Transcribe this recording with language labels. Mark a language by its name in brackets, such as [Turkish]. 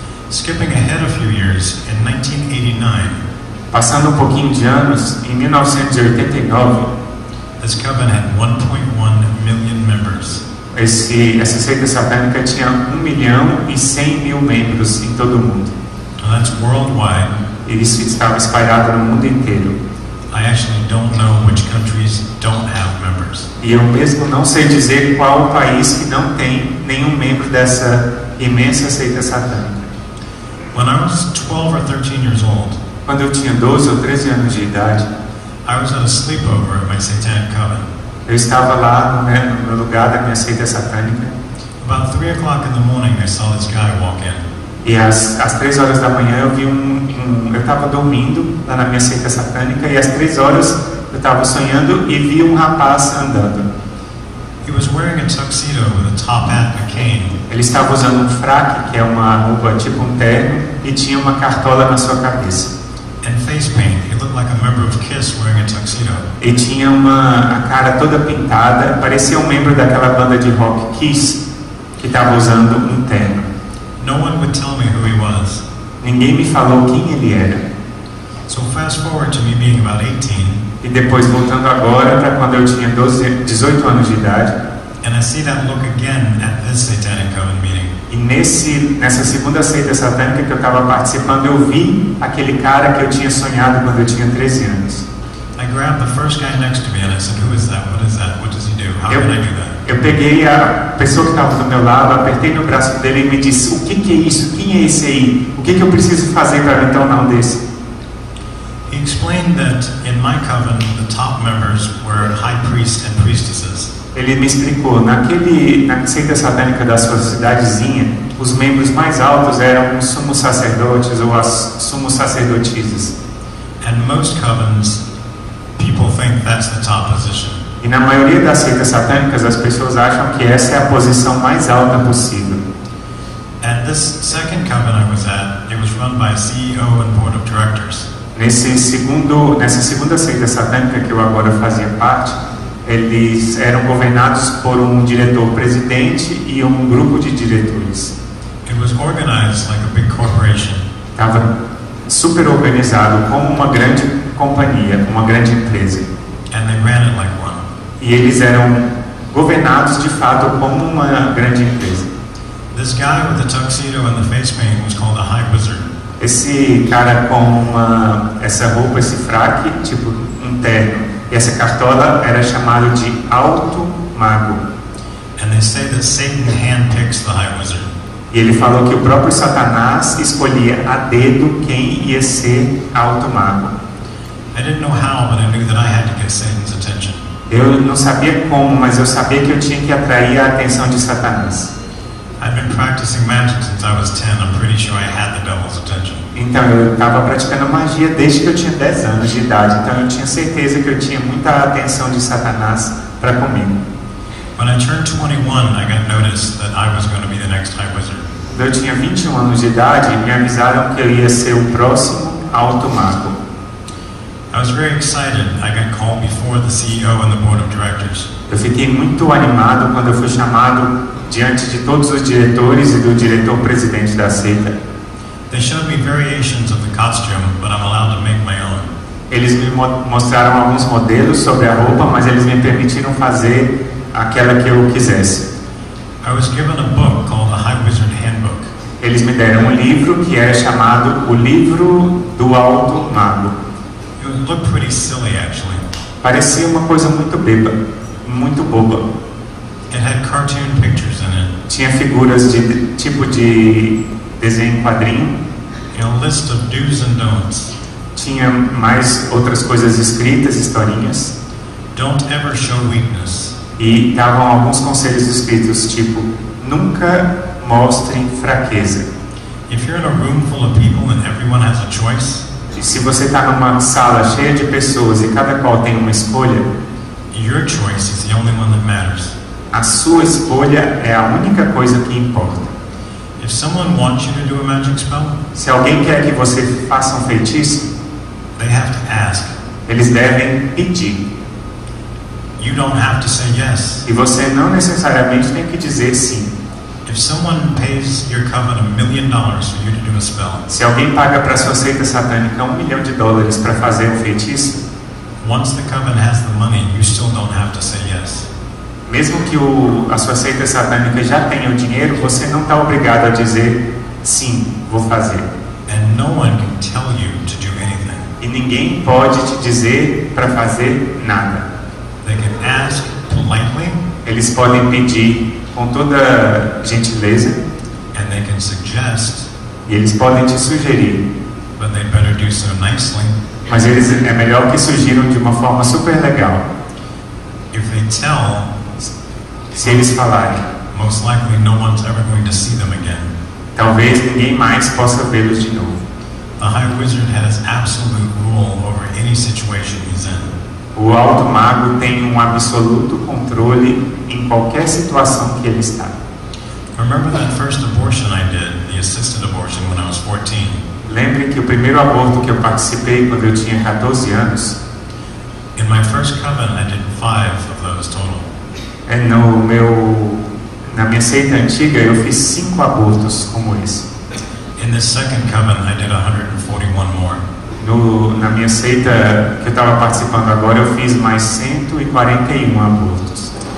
[English] Skipping ahead a few years, in 1989, [Portuguese] passando um pouquinho de anos, em 1989, [English] this covenant had 1.1 million members. [Portuguese] Essa seita satânica tinha 1 milhão e 100 mil membros em todo o mundo. [English] And that's worldwide. [Portuguese] E isso estava espalhado no mundo inteiro. [English] I actually don't know which countries don't have members. [Portuguese] E eu mesmo não sei dizer qual o país que não tem nenhum membro dessa imensa seita satânica. [English] When I was 12 or 13 years old, [Portuguese] quando eu tinha 12 ou 13 anos de idade, [English] I was at a sleepover at my satanic coven. [Portuguese] Eu estava lá, né, no lugar da minha seita satânica. [English] About 3 o'clock in the morning, I saw this guy walk in. [Portuguese] E às 3 horas da manhã eu vi eu estava dormindo lá na minha seita satânica, e às 3 horas eu estava sonhando e vi um rapaz andando. [English] He was wearing a tuxedo with a top hat and a cane. [Portuguese] Ele estava usando um fraque, que é uma roupa tipo um terno, e tinha uma cartola na sua cabeça. [English] And face paint. He looked like a member of Kiss wearing a tuxedo. [Portuguese] E tinha a cara toda pintada, parecia um membro daquela banda de rock Kiss, que estava usando um terno. [English] No one would tell me who he was. [Portuguese] Ninguém me falou quem ele era. [English] So fast forward to me being about 18. [Portuguese] E depois voltando agora para quando eu tinha 18 anos de idade. [English] And I see that look again at this satanic coven meeting. [Portuguese] E nessa segunda seita satânica que eu estava participando, eu vi aquele cara que eu tinha sonhado quando eu tinha 13 anos. [English] I grabbed the first guy next to me and I said, "Who is that? What is that? What does he do? How can I do that?" [Portuguese] Eu peguei a pessoa que estava do meu lado, apertei no braço dele e me disse: "O que que é isso? Quem é esse aí? O que que eu preciso fazer para me tornar um desse?" [English] He explained that in my coven, the top members were high priests and priestesses. [Portuguese] Ele me explicou: na seita satânica da sua cidadezinha, os membros mais altos eram os sumos sacerdotes ou as sumos sacerdotisas. [English] And most covens, people think that's the top position. [Portuguese] E na maioria das seitas satânicas, as pessoas acham que essa é a posição mais alta possível. [English] At this second coven I was at, it was run by a CEO and board of directors. [Portuguese] Nessa segunda seita satânica que eu agora fazia parte, eles eram governados por um diretor-presidente e um grupo de diretores. [English] It was organized like a big corporation. [Portuguese] Estava super organizado como uma grande companhia, uma grande empresa. [English] And they ran it like one. [Portuguese] E eles eram governados de fato como uma grande empresa. [English] This guy with the tuxedo and the face paint was called a high wizard. [Portuguese] Esse cara com essa roupa, esse fraque, tipo um terno, e essa cartola, era chamado de alto mago. [English] And they say that Satan handpicks the high wizard. [Portuguese] E ele falou que o próprio Satanás escolhia a dedo quem ia ser alto mago. [English] I didn't know how, but I knew that I had to get Satan's attention. [Portuguese] Eu não sabia como, mas eu sabia que eu tinha que atrair a atenção de Satanás. [English] I've been practicing magic since I was 10. I'm pretty sure I had the devil's attention. [Portuguese] Então eu estava praticando magia desde que eu tinha 10 anos de idade. Então eu tinha certeza que eu tinha muita atenção de Satanás para comigo. [English] When I turned 21, I got noticed that I was going to be the next high wizard. [Portuguese] Quando eu tinha 21 anos de idade, me avisaram que eu ia ser o próximo alto mago. [English] I was very excited. I got called before the CEO and the board of directors. [Portuguese] Eu fiquei muito animado quando eu fui chamado diante de todos os diretores e do diretor-presidente da seita. [English] They showed me variations of the costume, but I'm allowed to make my own. [Portuguese] Eles me mostraram alguns modelos sobre a roupa, mas eles me permitiram fazer aquela que eu quisesse. [English] I was given a book called the High Wizard Handbook. [Portuguese] Eles me deram um livro que era chamado O Livro do Alto Mago. [English] It looked pretty silly, actually. [Portuguese] Parecia uma coisa muito boba. [English] It had cartoon pictures in it. [Portuguese] Tinha figuras de tipo de desenho quadrinho. [English] And a list of do's and don'ts. [Portuguese] Tinha mais outras coisas escritas, historinhas. [English] Don't ever show weakness. [Portuguese] E davam alguns conselhos escritos tipo: nunca mostre fraqueza. [English] If you're in a room full of people and everyone has a choice. [Portuguese] E se você está numa sala cheia de pessoas e cada qual tem uma escolha, [English] your choice is the only one that matters. [Portuguese] A sua escolha é a única coisa que importa. [English] If someone wants you to do a magic spell, [Portuguese] se alguém quer que você faça um feitiço, [English] they have to ask. [Portuguese] Eles devem pedir. [English] You don't have to say yes. [Portuguese] E você não necessariamente tem que dizer sim. [English] If someone pays your coven $1 million for you to do a spell. [Portuguese] Se alguém paga para sua seita satânica $1 [English] million [Portuguese] para fazer um feitiço. [English] Once the coven has the money, you still don't have to say yes. [Portuguese] Mesmo que a sua seita satânica já tenha o dinheiro, você não está obrigado a dizer sim, vou fazer. [English] And no one can tell you to do anything. [Portuguese] E ninguém pode te dizer para fazer nada. [English] They can ask politely. [Portuguese] Eles podem pedir com toda gentileza. [English] And they can suggest. [Portuguese] E eles podem te sugerir. [English] But they better do so nicely. [Portuguese] Mas eles é melhor que sugiram de uma forma super legal. [English] If they tell, [Portuguese] se eles falarem, [English] most likely no one's ever going to see them again. [Portuguese] Talvez ninguém mais possa vê-los de novo. [English] The High Wizard has absolute rule over any situation he's in. [Portuguese] O Alto Mago tem um absoluto controle em qualquer situação que ele está. [English] Remember that first abortion I did, the assisted abortion when I was 14. [Portuguese] Lembre que o primeiro aborto que eu participei quando eu tinha 14 anos. [English] In my first coven, I did 5 of those total. [Portuguese] É no meu na minha seita antiga eu fiz 5 abortos como esse. [English] In the second coven, I did 141 more. [Portuguese] Na minha seita que eu estava participando agora, eu fiz mais 141 abortos.